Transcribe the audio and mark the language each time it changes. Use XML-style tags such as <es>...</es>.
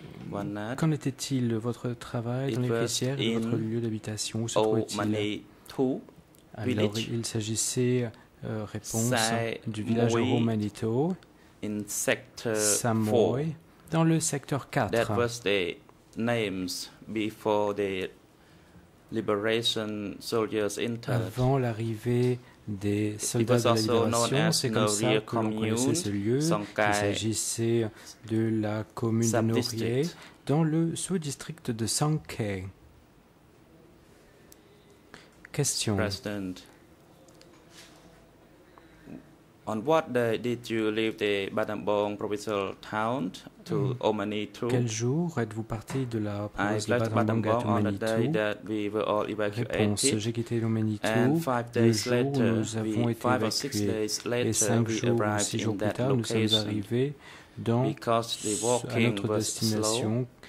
<fr>Qu'en était-il votre travail dans les rizières et votre lieu d'habitation? Où se trouvait-il? Alors, il s'agissait, réponse, du village de Romanito, Samoy, dans le secteur 4.</fr> <en>That was the names before the liberation soldiers entered.</en> <fr>Avant l'arrivée des soldats de la libération, c'est comme ça que l'on connaissait ce lieu. Il s'agissait de la commune de Norie, dans le sous-district de Sankai. Question.</fr> <en>President. On what day did you leave the Battambang provincial town to Omanitu?</en> <fr>Quel jour êtes-vous parti de la province de Battambang à Omanitu? Réponse, j'ai quitté Omanitu le jour où nous avons été évacués. Et 5 jours ou 6 jours plus tard, nous sommes arrivés à notre destination.</fr>